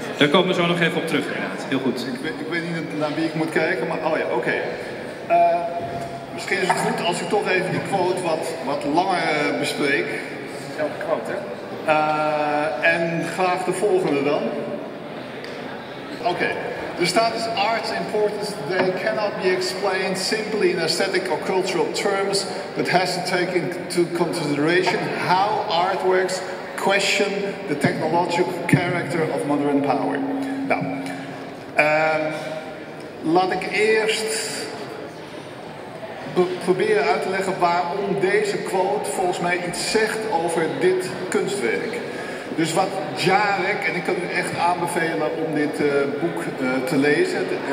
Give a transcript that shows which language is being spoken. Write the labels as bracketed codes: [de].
[nl] Daar komen we zo nog even op terug, inderdaad. Heel goed. Ik weet niet naar wie ik moet kijken, maar oh ja, oké. Okay. Misschien is het goed als ik toch even die quote wat langer bespreek. Elke quote, hè? En graag de volgende dan. Oké. Okay. [en] The status art's importance today cannot be explained simply in aesthetic or cultural terms, but has to take into consideration how artworks question the technological character of modern power. [nl] Nou, laat ik eerst proberen uit te leggen waarom deze quote volgens mij iets zegt over dit kunstwerk. Dus wat, Jarek. En ik kan u echt aanbevelen om dit boek te lezen.